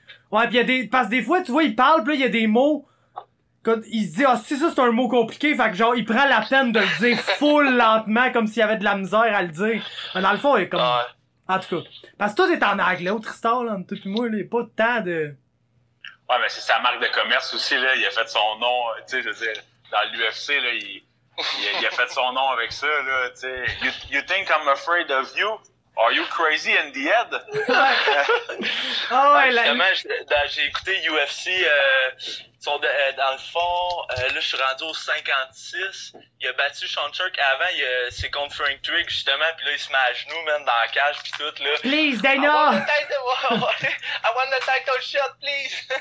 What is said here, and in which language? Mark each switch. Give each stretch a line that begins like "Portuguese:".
French: Ouais, pis y a des, parce que des fois, tu vois, il parle pis là, il y a des mots, quand il se dit, ah, oh, si ça c'est un mot compliqué, fait que genre, il prend la peine de le dire full lentement, comme s'il y avait de la misère à le dire. Mais dans le fond, il est comme... Ouais. En tout cas, parce que toi, t'es en anglais, au Tristar, là, tout le monde, il n'y a pas de temps de... Ouais, mais c'est sa marque de commerce aussi, là, il a fait son nom, tu sais, je veux dire, dans l'UFC, là, il a fait son nom avec ça, là, tu sais.
English: You think I'm afraid of you? Are you crazy in the head?
French: Ah ouais, là... J'ai écouté UFC, dans le fond, là, je suis rendu au 56, il a battu Sean Turk avant, c'est contre Frank Trigg, justement, puis là, il se met à genoux, même, dans la cage, puis tout, là.
English: Please, Dana! I want the title shot, please!